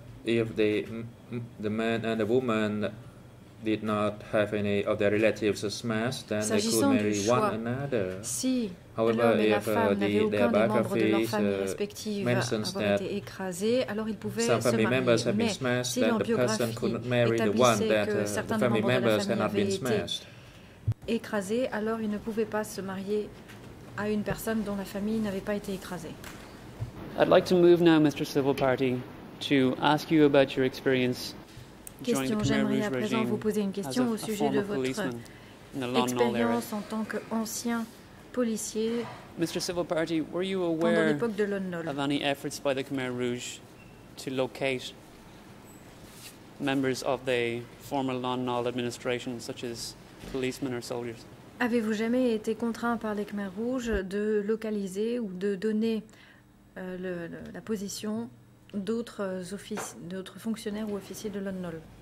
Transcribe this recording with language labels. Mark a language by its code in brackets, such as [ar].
[en] If the man and the woman did not have any of their relatives as masked, then they could marry one another. Si however, if their biographies mentions that some family members have been smashed, then the person could not marry the one that the family members had not been smashed. [fr] Écrasé, alors il ne pouvait pas se marier à une personne dont la famille n'avait pas été écrasée. [en] I'd like to move now, Mr. Civil Party, to ask you about your experience [fr] question, j'aimerais à présent vous poser une question au sujet de votre expérience en tant qu'ancien policier. [en] Mr. Civil Party, were you aware of any efforts by the Khmer Rouge to locate members of the former Lon Nol administration, such as policemen or soldiers? [fr] Avez-vous jamais été contraint par les Khmer Rouges de localiser ou de donner la position d'autres offices, d'autres fonctionnaires ou officiers de Lon Nol?